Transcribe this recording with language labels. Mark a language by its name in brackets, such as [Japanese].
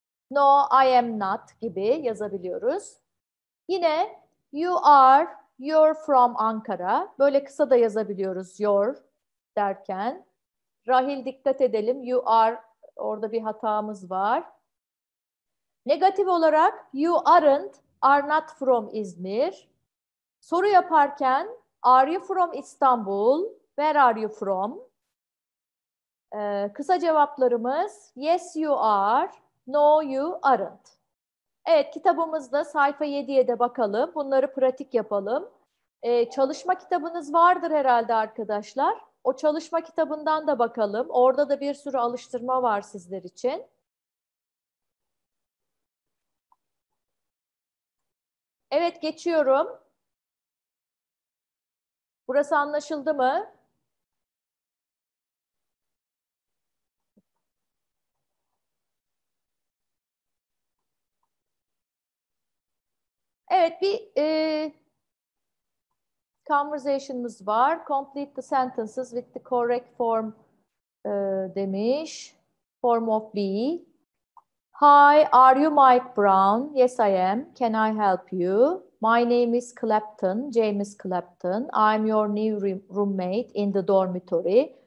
[English] No, I am not [Turkish] gibi yazabiliyoruz. [English] Yine you are, you're from Ankara. [Turkish] Böyle kısa da yazabiliyoruz your derken. Rahil dikkat edelim, you are, orada bir hatamız var. Negatif olarak [English] you aren't, are not from İzmir. [Turkish] Soru yaparken [English] are you from İstanbul? Where are you from? [Turkish] Kısa cevaplarımız [English] yes you are, no you aren't. [Turkish] Evet, kitabımızda sayfa 7'ye de bakalım. Bunları pratik yapalım. Çalışma kitabınız vardır herhalde arkadaşlar. O çalışma kitabından da bakalım. Orada da bir sürü alıştırma var sizler için. Evet, geçiyorum. Burası anlaşıldı mı? Evet, bir conversation'ımız var. [English] Complete the sentences with the correct form [Turkish] demiş. [English] Form of be. Hi, are you Mike Brown? Yes, I am. Can I help you? My name is Clapton, James Clapton. I'm your new roommate in the dormitory.